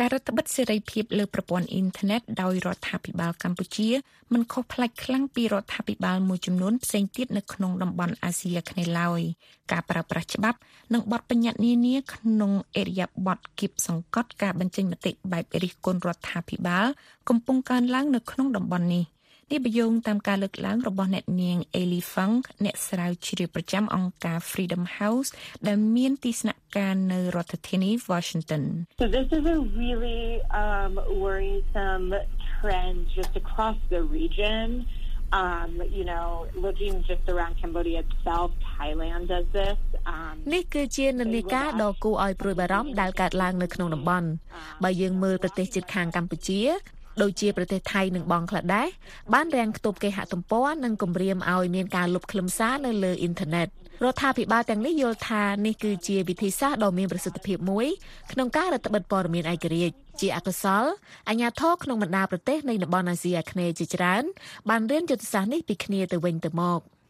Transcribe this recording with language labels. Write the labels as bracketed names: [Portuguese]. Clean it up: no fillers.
[Khmer] ការរដ្ឋបិទសេរីភាពលើប្រព័ន្ធអ៊ីនធឺណិតដោយរដ្ឋាភិបាលកម្ពុជាមិនខុសផ្លាច់ខ្លាំងពីរដ្ឋាភិបាលមួយចំនួនផ្សេងទៀតនៅក្នុងតំបន់អាស៊ីអាគ្នេយ៍ឡើយការប្រើប្រាស់ច្បាប់និងបទបញ្ញត្តិនានាក្នុងឥរិយាបថគៀបសង្កត់ការបញ្ចេញមតិបែបរិះគន់រដ្ឋាភិបាលកំពុងកើនឡើងនៅក្នុងតំបន់នេះនេះបយងតាមការលើកឡើងរបស់អ្នកនាងអេលីហ្វង់អ្នកស្រាវជ្រាវប្រចាំអង្គការ Freedom House ដែលមានទីស្នាក់ការនៅរដ្ឋធានី Washington [English] So this is a really worrisome trend just across the region you know looking just around Cambodia itself Thailand does this [Khmer] នេះគឺជានិន្នាការដ៏គួរឲ្យព្រួយបារម្ភដែលកើតឡើងនៅក្នុងតំបន់បើយើងមើលប្រទេសជិតខាងកម្ពុជាដូចជាប្រទេសថៃនិងបង់ក្លាដេសបានរាំងខ្ទប់គេហទំព័រនិងគំរាមឲ្យមានការលុបខ្លឹមសារនៅលើអ៊ីនធឺណិតរដ្ឋាភិបាលទាំងនេះយល់ថានេះគឺជាវិធីសាស្ត្រដ៏មានប្រសិទ្ធភាពមួយក្នុងការរឹតបន្តឹងព័ត៌មានឯករាជ្យជាអកុសលអាញាធរក្នុងបណ្ដាប្រទេសនៃតំបន់អាស៊ីអាគ្នេយ៍ជាច្រើនបានរៀនយុទ្ធសាស្ត្រនេះពីគ្នាទៅវិញទៅមក